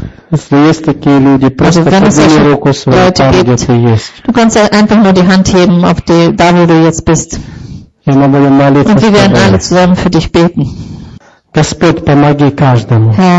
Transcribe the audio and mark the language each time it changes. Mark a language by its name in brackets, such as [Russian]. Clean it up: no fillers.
[Russian] Если есть такие люди, просто подними руку свою там, где ты есть. [German] Du kannst einfach nur die Hand heben, auf die, da wo du jetzt bist. [Russian] И мы будем молиться. [German] Und wir werden alle zusammen für dich beten. [Russian] Господь, помоги каждому.